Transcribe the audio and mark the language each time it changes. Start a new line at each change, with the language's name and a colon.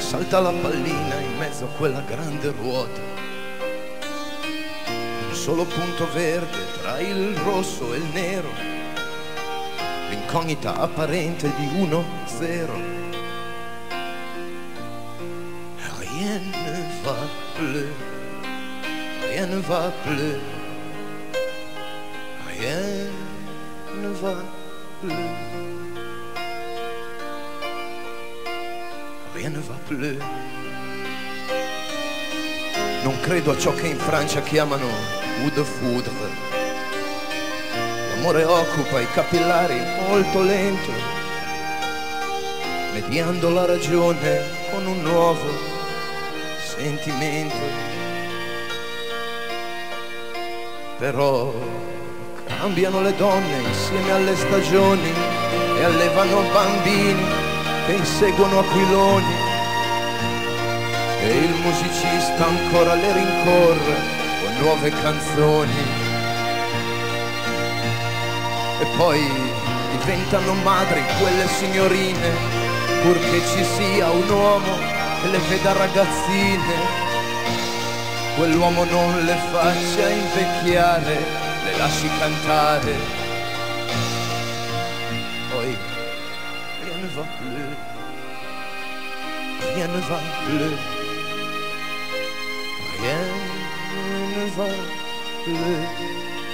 Italian: Salta la pallina in mezzo a quella grande ruota, un solo punto verde tra il rosso e il nero, l'incognita apparente di 1-0.
French: Rien ne va plus, rien ne va plus, rien ne va plus, rien ne va plus.
Italian: Non credo a ciò che in Francia chiamano oud foudre. L'amore occupa i capillari molto lento, mediando la ragione con un nuovo sentimento. Però cambiano le donne insieme alle stagioni e allevano bambini che inseguono aquiloni, e il musicista ancora le rincorre con nuove canzoni. E poi diventano madri quelle signorine, purché ci sia un uomo che le veda ragazzine. Quell'uomo non le faccia invecchiare, le lasci cantare. Poi
French: rien ne va plus, rien ne va plus, rien ne va plus.